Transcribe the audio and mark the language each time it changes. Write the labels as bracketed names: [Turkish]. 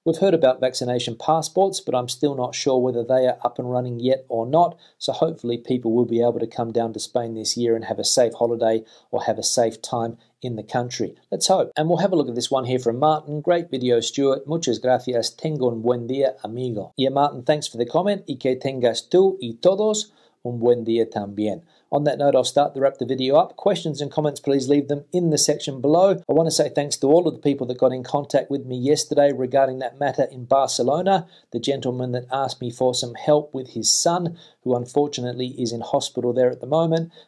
[English] We've heard about vaccination passports, but I'm still not sure whether they are up and running yet or not. So hopefully people will be able to come down to Spain this year and have a safe holiday or have a safe time in the country. Let's hope. And we'll have a look at this one here from Martin. Great video, Stuart. [Spanish] Muchas gracias. Tengo un buen día, amigo. [English] Yeah, Martin, thanks for the comment. [Spanish] Y que tengas tú y todos un buen día también. [English] On that note, I'll start to wrap the video up. Questions and comments, please leave them in the section below. I want to say thanks to all of the people that got in contact with me yesterday regarding that matter in Barcelona, the gentleman that asked me for some help with his son, who unfortunately is in hospital there at the moment.